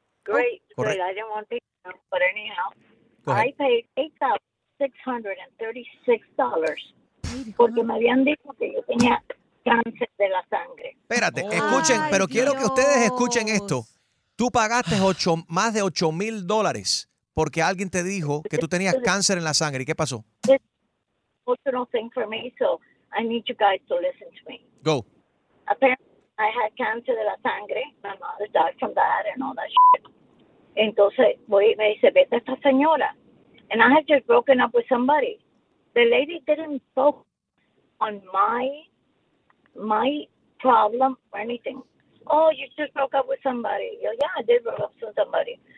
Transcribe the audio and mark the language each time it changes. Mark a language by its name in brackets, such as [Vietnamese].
[English] Great. But anyhow, I paid $8,636 [Spanish] porque me habían dicho que yo tenía cáncer de la sangre. Espérate, escuchen, pero Dios. Quiero que ustedes escuchen esto. Tú pagaste más de $8,000 porque alguien te dijo que tú tenías cáncer en la sangre. ¿Y qué pasó? [English] It's personal thing for me, so I need you guys to listen to me. Go. Apparently, I had cancer [Spanish] de la sangre. [English] My mother died from that and all that shit. [Spanish] Entonces, voy y me dice, vete a esta señora. [English] And I had just broken up with somebody. The lady didn't focus on my problem or anything. Oh, you just broke up with somebody. Yo, yeah, I did broke up with somebody.